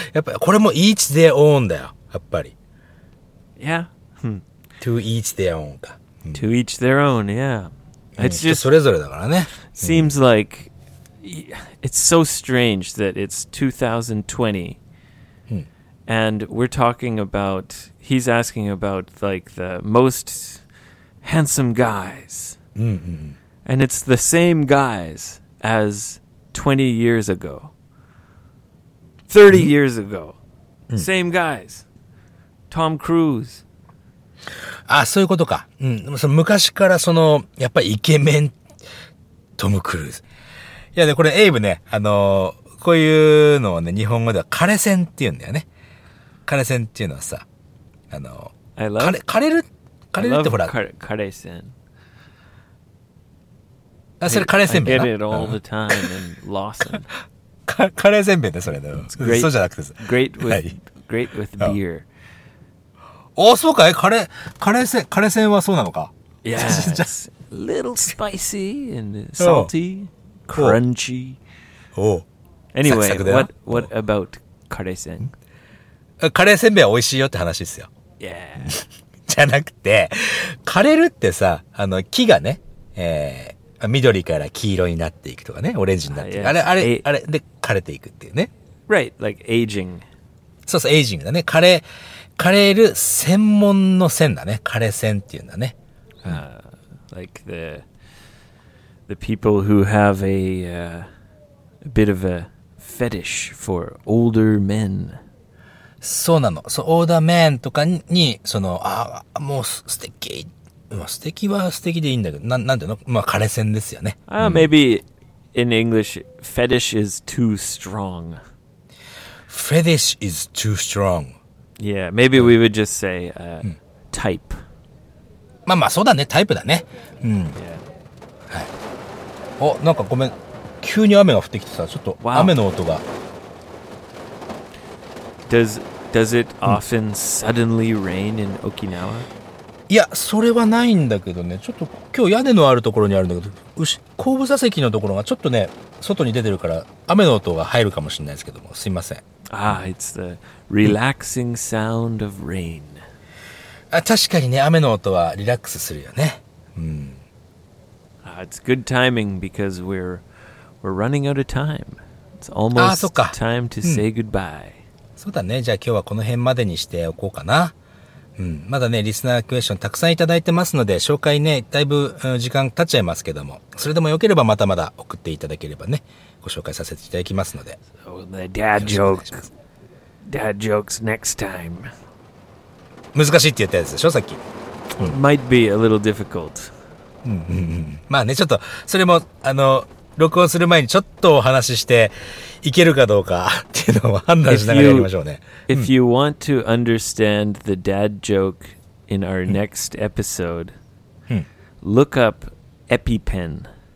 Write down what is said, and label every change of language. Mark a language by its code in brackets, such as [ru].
[ja] やっぱこれも [en] each their own [ja] だよ。やっぱり。 [en] Yeah. To each their own か。 To each their own. Yeah.、 [ja] うん、 [en] it's just [ja] それぞれだからね。 [en] Seems、うん、like it's so strange that it's 2020. And we're talking about, he's asking about like the most handsome guys.、 Mm-hmm. And it's the same guys as 20 years ago. 30 mm-hmm. years ago. Mm-hmm. Same guys. Tom Cruise. [ja] Ah, そういうことか。うん、その昔からその、やっぱりイケメン、トム・クルーズ。いやね、これエイブね、こういうのをね、日本語では枯線って言うんだよね。枯れ線っていうのはさ、枯れるってほら、枯れ線。あ、それ枯れ線弁だ。 [en] I get it all the time in Lawson. [ja] 枯れ線弁だ、それだ。そうじゃなくてさ。 [en] Great with beer. [ja] あ、そうかい?枯れ線はそうなのか。 [en] Yeah, it's a little spicy and salty, crunchy. Anyway, what about 枯れ線? [ja] カレーせんべいは美味しいよって話ですよ。 [en] Yeah. [ja] じゃなくて、枯れるってさ、木がね、緑から黄色になっていくとかね、オレンジになっていく。 [en] Yeah. [ja] あれで枯れていくっていうね。 [en] Right, like aging. [ja] そうそう、aging だね。枯れる専門の線だね。枯れ線っていうんだね。 [en] Like the people who have a bit of a fetish for older men. [ja] そうなの。 So, older men とかに、その、ああ、もう素敵。素敵は素敵でいいんだけど、なんていうの、まあ、枯れ線ですよね。 [en] Maybe in English, fetish is too strong. Fetish is too strong. Yeah, maybe we would just say type. [ja] まあまあ、そうだね、タイプだね。はい。お、なんかごめん。急に雨が降ってきてさ、ちょっと雨の音が。 [en] Does it often suddenly rain in Okinawa? [ja] いや、それはないんだけどね。ちょっと今日屋根のあるところにあるんだけど、後部座席のところがちょっとね、外に出てるから雨の音が入るかもしれないですけども、すいません。 [en] Ah, it's the relaxing sound of rain. [ja] あ、確かにね、雨の音はリラックスするよね。 [en] It's good timing because we're running out of time. It's almost time to say goodbye. [ja] そうだね。じゃあ今日はこの辺までにしておこうかな。うん、まだね、リスナークエスチョンたくさんいただいてますので、紹介ね、だいぶ、時間経っちゃいますけども、それでもよければまたまだ送っていただければね、ご紹介させていただきますので。 [en] So、the dad joke. Dad jokes next time. [ja] 難しいって言ったやつでしょ、さっき。 [en] Might be a little difficult. [ja] まあね、ちょっと、それも、録音する前にちょっとお話ししていけるかどうかっていうのを判断しながらやりましょうね。 [en] If you want to understand the dad joke in our next episode, look up EpiPen.